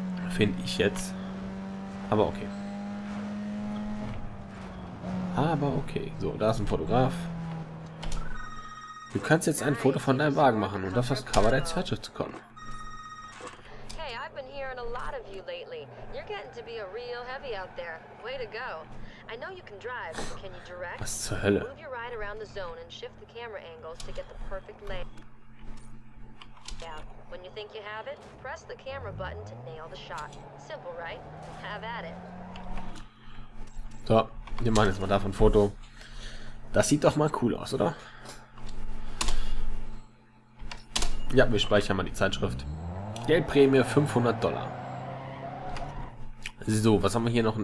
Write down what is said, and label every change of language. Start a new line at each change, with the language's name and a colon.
German: Finde ich jetzt. Aber okay. Aber okay, so, da ist ein Fotograf. Du kannst jetzt ein Foto von deinem Wagen machen und auf das Cover der Zeitschrift zu kommen.
English: Hey, I've been hearing a lot of you lately. You're getting to be a real heavy out there. Way to go. I know you can drive, but can you direct?
German: Was zur Hölle?
English: Move your ride around the zone and shift the camera angles to get the perfect lay. When you think you have it, press the camera button to nail the shot. Simple, right? Have at it.
German: So, wir machen jetzt mal davon ein Foto. Das sieht doch mal cool aus, oder? Ja, wir speichern mal die Zeitschrift. Geldprämie $500. So, was haben wir hier noch?